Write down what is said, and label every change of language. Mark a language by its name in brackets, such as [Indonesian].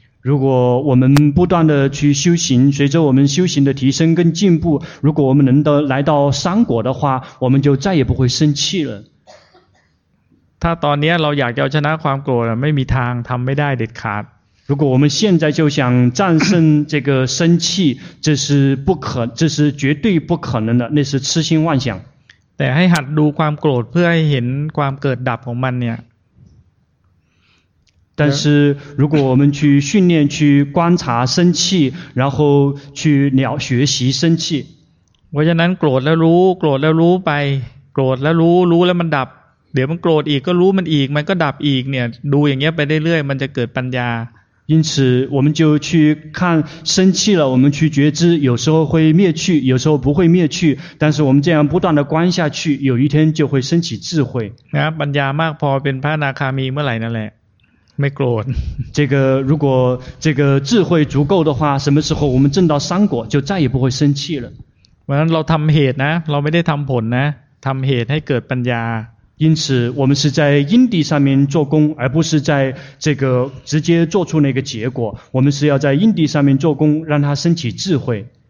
[Chinese] 如果我们不断的去修行随着我们修行的提升跟进步如果我们能够来到三果的话我们就再也不会生气了 [Thai] ถ้าตอนนี้เราอยากจะชนะความโกรธไม่มีทางทำไม่ได้เด็ดขาด [Chinese] 如果我们现在就想战胜这个生气这是不可这是绝对不可能的那是痴心妄想 [Thai] แต่ให้หัดดูความโกรธเพื่อให้เห็นความเกิดดับของมันเนี่ย [Chinese] 但是如果我们去训练去观察生气然后去了学习生气 [Thai] เพราะฉะนั้นโกรธแล้วรู้โกรธแล้วรู้ไปโกรธแล้วรู้รู้แล้วมันดับเดี๋ยวมันโกรธอีกก็รู้มันอีกมันก็ดับอีกเนี่ยดูอย่างเงี้ยไปเรื่อยๆมันจะเกิดปัญญา [Chinese] 因此我们就去看生气了我们去觉知有时候会灭去有时候不会灭去但是我们这样不断的观下去有一天就会升起智慧 [Thai] นะปัญญามากพอเป็นพระอนาคามีเมื่อไหร่นั่นแหละไม่โกรธ [Chinese] 这个如果这个智慧足够的话什么时候我们证到三果就再也不会生气了 [Thai] เพราะเราทำเหตุนะเราไม่ได้ทำผลนะทำเหตุให้เกิดปัญญา [Chinese] 因此我们是在因地上面做工而不是在这个直接做出那个结果我们是要在因地上面做工让它升起智慧